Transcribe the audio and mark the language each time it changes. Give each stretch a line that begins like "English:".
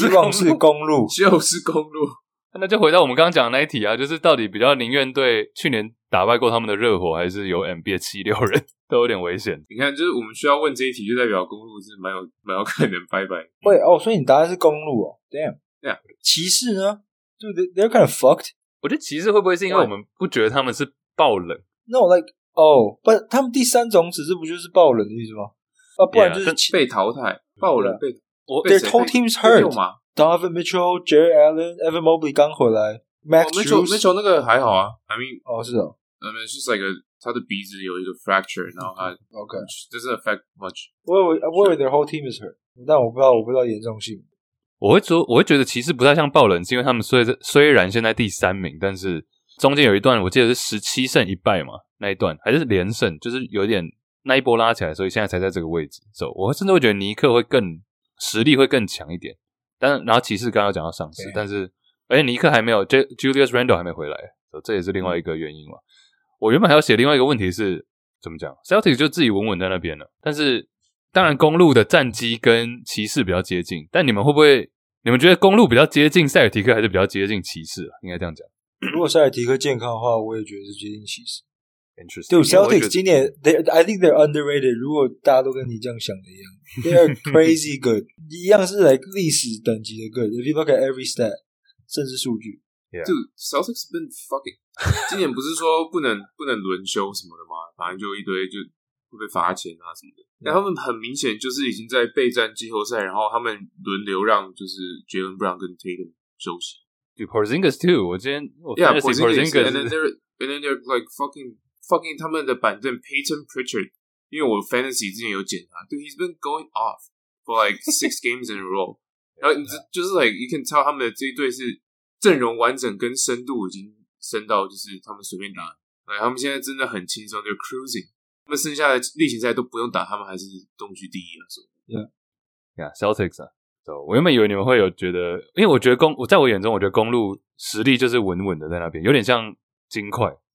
Chinese: 希望是公路，就是公路。那就回到我们刚刚讲的那一题啊，就是到底比较宁愿对去年打败过他们的热火，还是有 NBA 76人，都有点危险。你看，就是我们需要问这一题，就代表公路是蛮有可能拜拜。喂哦，所以你答案是公路哦 ？Damn，对啊。骑士呢
English: ？Dude， they're kind of fucked。
Chinese: 我觉得骑士会不会是因为我们不觉得他们是爆冷？No， like， oh， but 他们第三种子是不就是爆冷的意思吗？啊，不然就是 yeah, 被淘汰，爆冷被。我
English: Their whole team's hurt， Donovan Mitchell, Jared Allen, Evan Mobley
Chinese: 刚回来
English: ，Max Drews、
Chinese: 哦、Mitchell 那个还好啊 ，I mean 哦是哦，
English: I mean it's just like a
Chinese: 他的鼻子有一个 fracture， 然后他
English: OK doesn't affect much。 I worry their whole team is hurt，
Chinese: 但我不知道严重性。我会觉得其实不太像爆冷，是因为他们虽然现在第三名，但是中间有一段我记得是17胜一败嘛，那一段还是连胜，就是有点那一波拉起来，所以现在才在这个位置。所以我甚至会觉得尼克会更实力会更强一点，但然后骑士刚刚讲到上市，但是而且尼克还没有 Julius Randle 还没回来，所以这也是另外一个原因嘛。我原本还要写另外一个问题是怎么讲 ，Celtics 就自己稳稳在那边了，但是。当然公路的战绩跟骑士比较接近，但你们会不会你们觉得公路比较接近塞尔提克还是比较接近骑士、啊、应该这样讲。如果塞尔提克健康的话我也觉得是接近骑士。
English: Interesting.
Chinese: Dude, Celtics 今年
English: I think they're underrated,
Chinese: 如果大家都跟你这样想的一样。
English: They're crazy good.
Chinese: 一样是
English: like
Chinese: 历史等级的
English: good. If you look at every stat,
Chinese: 甚至数据。
English: Yeah. Dude, Celtics been fucking.
Chinese: 今年不是说不能轮休什么的吗，反正就一堆就会被罚钱啊什么的。那他们很明显就是已经在备战季后赛，然后他们轮流让就是 Jalen Brown 跟 Tatum 休息。
English: Dude, Porzingis too.
Chinese: 我今天我
English: yeah Porzingis and then they're like fucking
Chinese: 他们的板凳
English: Peyton Pritchard.
Chinese: 因为我 fantasy 之前有检查
English: ，dude he's been going off for like six games in a row.
Chinese: 然后就是 like you can tell 他们的这一队是阵容完整跟深度已经升到就是他们随便打，哎他们现在真的很轻松 ，
English: they're cruising.
Chinese: 他们剩下的例行赛都不用打，他们还是东区第一啊，什么
English: ？Yeah, yeah, Celtics 啊。
Chinese: So, 我原本以为你们会有觉得，因为我觉得公，在我眼中，我觉得公路实力就是稳稳的在那边，有点像金块。